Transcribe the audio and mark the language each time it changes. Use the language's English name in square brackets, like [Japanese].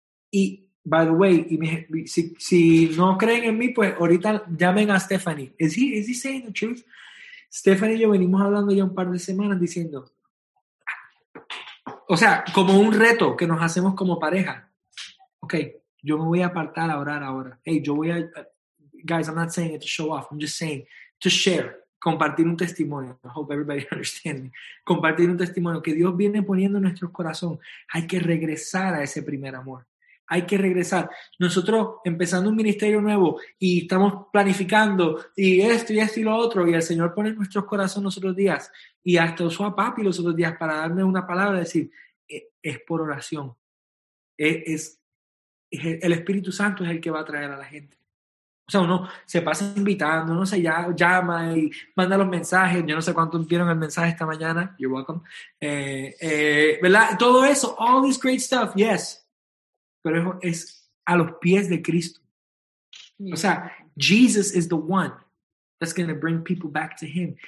[Spanish] Y, [English] by the way, [Spanish] y me, si no creen en mí, pues ahorita llamen a Stephanie. [English] Is he saying the truth? [Spanish] Stephanie y yo venimos hablando ya un par de semanas diciendo, o sea, como un reto que nos hacemos como pareja. Ok, yo me voy a apartar a orar ahora. [English] Hey, [Spanish] yo voy a, [English] guys, I'm not saying it to show off, I'm just saying to share. [Spanish] Compartir un testimonio. [English] I hope everybody understands me. [Spanish] Compartir un testimonio que Dios viene poniendo en nuestro corazón. Hay que regresar a ese primer amor. Hay que regresar. Nosotros empezando un ministerio nuevo y estamos planificando y esto y lo otro. Y el Señor pone en nuestro corazón los otros días. Y hasta usó a papi los otros días para darme una palabra. Decir, es por oración. Es el Espíritu Santo es el que va a traer a la gente. O sea, uno se pasa invitando, uno se llama y manda los mensajes. Yo no sé cuántos vieron el mensaje esta mañana. [English] You're welcome. [Spanish] ¿Verdad? Todo eso, [English] all this great stuff, yes. [Spanish] Pero eso es a los pies de Cristo. O sea, [English] Jesus is the one that's going to bring people back to him.